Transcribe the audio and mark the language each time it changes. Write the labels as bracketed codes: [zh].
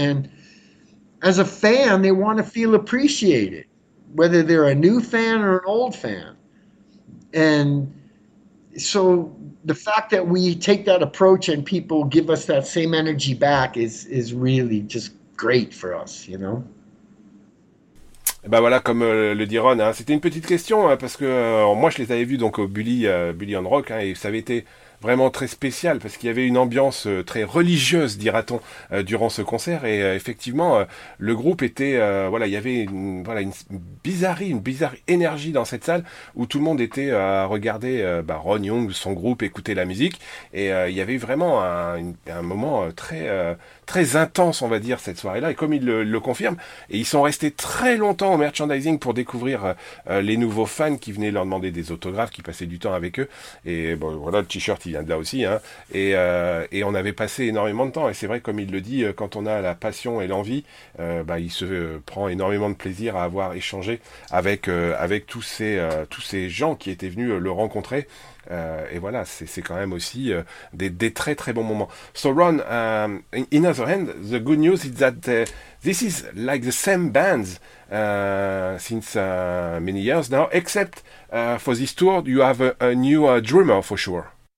[en] And as a fan, they want to feel appreciated, whether they're a new fan or an old fan. And so the fact that we take that approach and people give us that same energy back is really just great for us, you know? [fr] Ben voilà, comme le dit Ron, hein, c'était une petite question, hein, parce que moi je les avais vus donc au Bully on Rock, hein, et ça avait été vraiment très spécial, parce qu'il y avait une ambiance très religieuse, dira-t-on, durant ce concert, et effectivement, le groupe était, il y avait une bizarre énergie dans cette salle, où tout le monde était à regarder Ron Young, son groupe, écouter la musique, et il y avait vraiment un moment très... très intense, on va dire, cette soirée-là, et comme ils le confirment, et ils sont restés très longtemps au merchandising pour découvrir les nouveaux fans qui venaient leur demander des autographes, qui passaient du temps avec eux, et bon, voilà, le t-shirt, il vient de là aussi, hein, et on avait passé énormément de temps, et c'est vrai, comme il le dit, quand on a la passion et l'envie, il se prend énormément de plaisir à avoir échangé avec tous ces gens qui étaient venus le rencontrer. Et voilà, c'est quand même aussi des très très bons moments. [en] So Ron, in other hand, the good news is that this is like the same bands since many years now, except for this tour, you have a new drummer for sure.